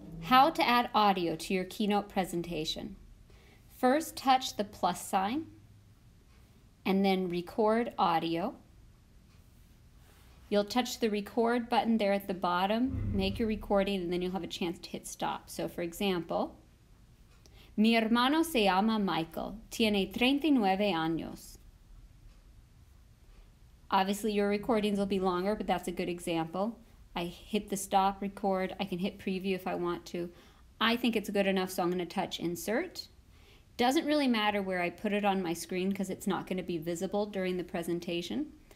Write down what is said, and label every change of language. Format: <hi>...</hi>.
<en>How to add audio to your Keynote presentation. First, touch the plus sign and then record audio. You'll touch the record button there at the bottom, make your recording, and then you'll have a chance to hit stop. So for example,</en> <es>mi hermano se llama Michael, tiene 39 años.</es> <en>Obviously your recordings will be longer, but that's a good example. I hit the stop record. I can hit preview if I want to. I think it's good enough, so I'm going to touch insert. Doesn't really matter where I put it on my screen because it's not going to be visible during the presentation.</en>